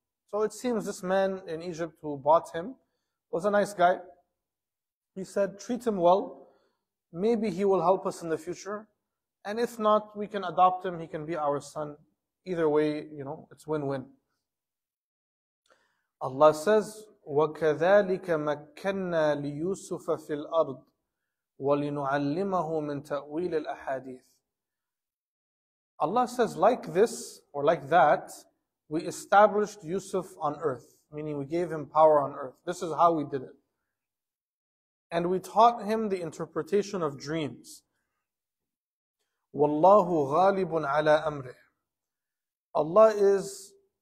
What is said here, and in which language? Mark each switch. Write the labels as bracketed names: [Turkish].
[English] So it seems this man in Egypt who bought him was a nice guy. He said, treat him well. Maybe he will help us in the future. And if not, we can adopt him. He can be our son. Either way, you know, it's win-win. Allah says, [Arabic] وَكَذَلِكَ مَكَّنَّا لِيُوسُفَ فِي الْأَرْضِ وَلِنُعَلِّمَهُ مِنْ تَأْوِيلِ الْأَحَادِيثِ. [English] Allah says, like this, or like that, we established Yusuf on earth. Meaning we gave him power on earth. This is how we did it. And we taught him the interpretation of dreams. [Arabic] وَاللَّهُ غَالِبٌ عَلَىٰ أَمْرِهِ. [English] Allah is...